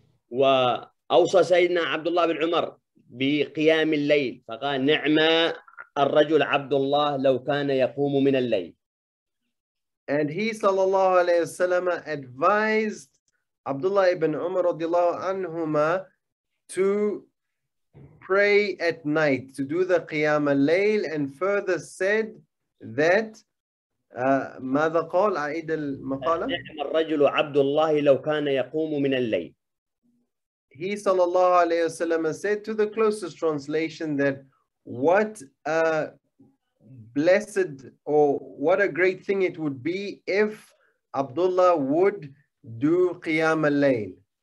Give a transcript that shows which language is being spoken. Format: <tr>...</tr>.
<ar>و أوصى سيدنا عبد الله بن عمر بقيام الليل فقال نعمة الرجل عبد الله لو كان يقوم من الليل.</ar> <en>And he صلى الله عليه وسلم advised Abdullah ibn Umar رضي الله عنهما to pray at night, to do the قيام الليل, and further said that</en> <ar>ماذا قال عيد المقالة؟ نعمة الرجل عبد الله لو كان يقوم من الليل.</ar> <en>He sallallahu alayhi wa sallam said to the closest translation that what a blessed or what a great thing it would be if Abdullah would do qiyam al-layl.</en>